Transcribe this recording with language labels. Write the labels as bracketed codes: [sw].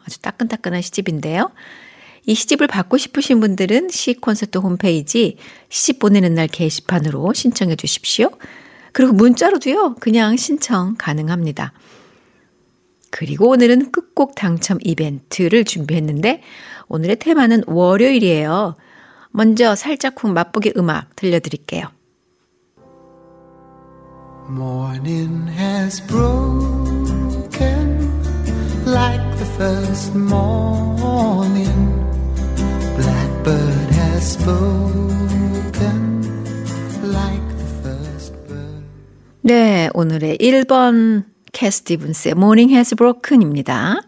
[ko] 아주 따끈따끈한 시집인데요. 이 시집을 받고 싶으신 분들은 시콘서트 홈페이지 시집 보내는 날 게시판으로 신청해 주십시오. 그리고 문자로도요. 그냥 신청 가능합니다. 그리고 오늘은 끝곡 당첨 이벤트를 준비했는데 오늘의 테마는 월요일이에요. 먼저 살짝 훅 맛보기 음악 들려드릴게요. [en] Morning has broken like the first morning. Blackbird has spoken like the first bird. [ko] 네, 오늘의 1번 캐스티븐스의 Morning has broken입니다.